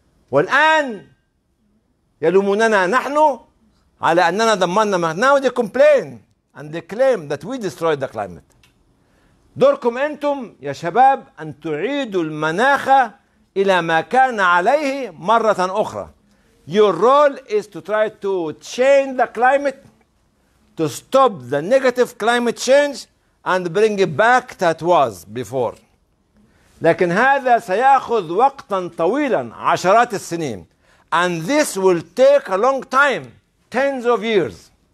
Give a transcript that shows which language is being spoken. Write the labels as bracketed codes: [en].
[ar] والآن يلوموننا نحن على أننا دمرنا المناخ. [en] Now they complain and they claim that we destroyed the climate. [ar] دوركم أنتم يا شباب أن تعيدوا المناخ إلى ما كان عليه مرة أخرى. [en] Your role is to try to change the climate, to stop the negative climate change and bring it back that was before. [ar] لكن هذا سيأخذ وقتا طويلا عشرات السنين. [en] And this will take a long time, tens of years.